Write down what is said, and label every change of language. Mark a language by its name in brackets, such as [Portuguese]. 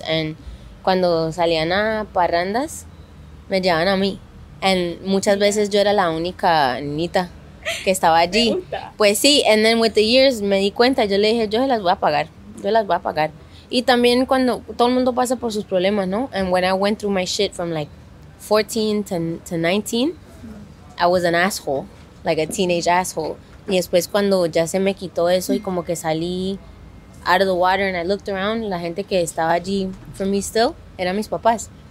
[English] And [Spanish] cuando salían a parrandas, me llevaban a mí. [English] And [Spanish] muchas veces yo era la única niñita que estaba allí. Pues sí, [English] and then with the years [Spanish] me di cuenta, yo le dije, yo se las voy a pagar, yo las voy a pagar. Y también cuando todo el mundo pasa por sus problemas, ¿no? [English] And when I went through my shit from like 14 to 19, I was an asshole, like a teenage asshole. [Spanish] Y después cuando ya se me quitó eso y como que salí [English] out of the water and I looked around, [Spanish] la gente que estaba allí [English] for me still [Spanish] eran mis papás.